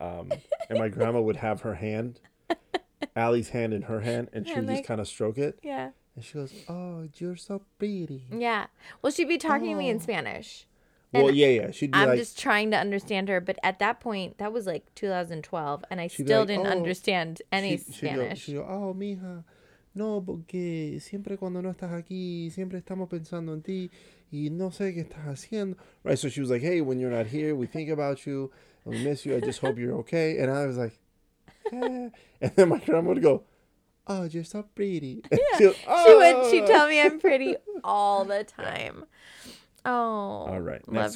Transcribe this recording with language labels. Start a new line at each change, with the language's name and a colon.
English: And, and my grandma would have her hand, Allie's hand in her hand. And she would just kind of stroke it. Yeah. And she goes, oh, you're so pretty. Yeah. Well, she'd be talking to me in Spanish. Well, yeah. She'd be I'm like, just trying to understand her. But at that point, that was like 2012, and I still like, didn't understand any Spanish.
Spanish: She'd go, oh, mija, no, porque siempre cuando no estás aquí, siempre estamos pensando en ti, y no sé qué estás haciendo.
English: Right, so she was like, hey, when you're not here, we think about you, we miss you, I just hope you're okay. And I was like, yeah. And then my grandma would go, oh, you're so pretty. Yeah. She'd tell me I'm pretty all the time. Yeah. Oh, all right. Next